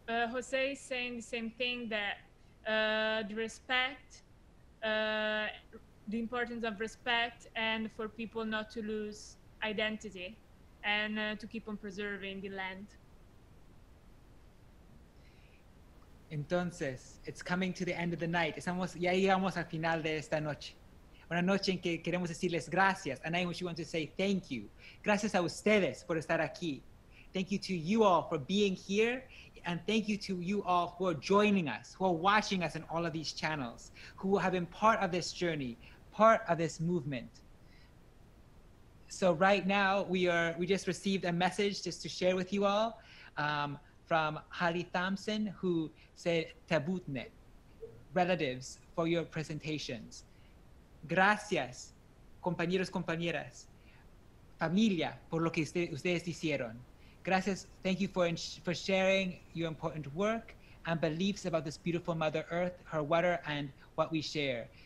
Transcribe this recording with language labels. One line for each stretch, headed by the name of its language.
English: José is saying the same thing, that the respect, the importance of respect, and for people not to lose identity, and to keep on preserving the land.
Spanish: Entonces,
English: it's coming to the end of the night.
Spanish: Estamos, ya llegamos al final de esta noche. Una noche en que queremos decirles gracias,
English: and I wish you want to say thank you.
Spanish: Gracias a ustedes por estar aquí.
English: Thank you to you all for being here. And thank you to you all who are joining us, who are watching us in all of these channels, who have been part of this journey, part of this movement. So right now we just received a message just to share with you all from Holly Thompson, who said, Tabutnet, relatives, for your presentations.
Spanish: Gracias, compañeros, compañeras, familia, por lo que ustedes hicieron.
English: Gracias, thank you for sharing your important work and beliefs about this beautiful Mother Earth, her water, and what we share.